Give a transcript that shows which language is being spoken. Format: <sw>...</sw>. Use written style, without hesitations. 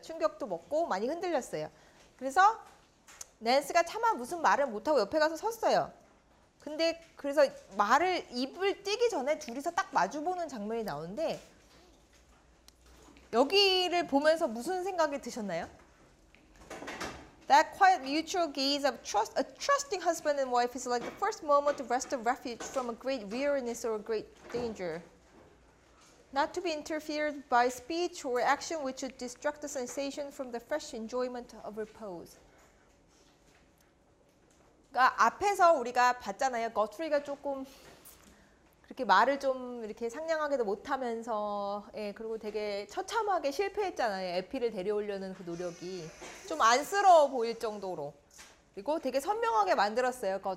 <ko>충격도 먹고 많이 흔들렸어요. 그래서 낸스가 차마 무슨 말을 못하고 옆에 가서 섰어요. 근데 그래서 말을 입을 띄기 전에 둘이서 딱 마주보는 장면이 나오는데 여기를 보면서 무슨 생각이 드셨나요?</ko> <en>That quiet mutual gaze of trust, a trusting husband and wife is like the first moment of rest of refuge from a great weariness or a great danger. Not to be interfered by speech or action which would distract the sensation from the fresh enjoyment of repose.</en> <ko>그러니까 앞에서 우리가 봤잖아요. 거트리가 조금 그렇게 말을 좀 이렇게 상냥하게도 못하면서 예, 그리고 되게 처참하게 실패했잖아요. 에피를 데려오려는 그 노력이 좀 안쓰러워 보일 정도로 그리고 되게 선명하게 만들었어요.</ko>